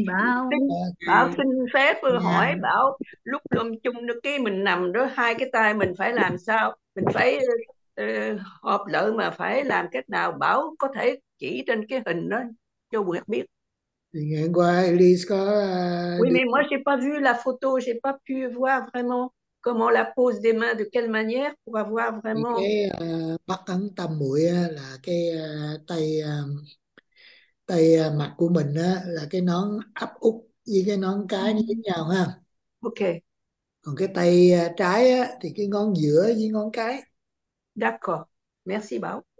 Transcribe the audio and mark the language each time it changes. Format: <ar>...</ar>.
<vi>Bảo. Bảo ok xin phép tôi dạ hỏi Bảo, lúc lâm chung được cái mình nằm đó, hai cái tay mình phải làm sao? Mình phải họp lợi mà phải làm cách nào? Bảo có thể chỉ trên cái hình đó cho Nguyệt biết. Thì ngày hôm qua Elise có</vi> <fr>Oui, mais moi, j'ai pas vu la photo, j'ai pas pu voir vraiment. comment on la pose des mains, de quelle manière pour avoir</fr> <vi>Cái</vi> <fr>vraiment.</fr> <vi>bát ấn tam muội là cái tay tay mặt của mình là cái nón áp út với cái nón cái nó giống nhau ha. Ok. Còn cái tay trái thì cái ngón giữa với ngón cái.</vi> <fr>D'accord. Merci, Bao.</fr>